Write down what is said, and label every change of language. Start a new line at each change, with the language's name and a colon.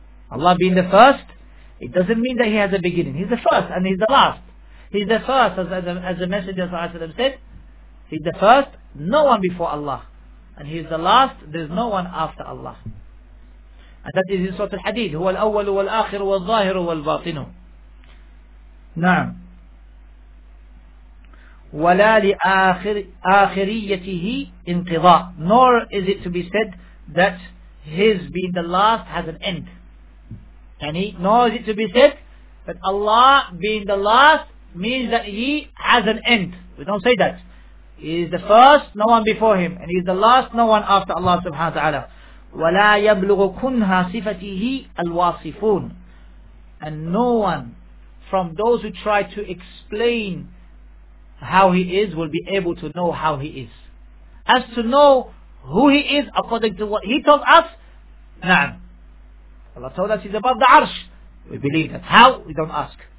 English: Allah being the first, it doesn't mean that he has a beginning. He's the first and he's the last. He's the first, as the Messenger said, he's the first, no one before Allah, and he's the last. There's no one after Allah. And that is in Surah Al-Hadid.
Arabic: هو الأول والآخر والظاهر والباطن. نعم. ولا لآخريته انقضاء.
English: Nor is it to be said that his being the last has an end. يعني, nor is it to be said that Allah being the last means that he has an end. We don't say that. He is the first, no one before him. And he is the last, no one after Allah subhanahu wa ta'ala.
Arabic: ولا يبلغ كنها صفته الواصفون.
English: And no one from those who try to explain how he is will be able to know how he is. As to know who he is according to what he told us, نعم. Allah told us he's above the arsh. We believe that. How? We don't ask.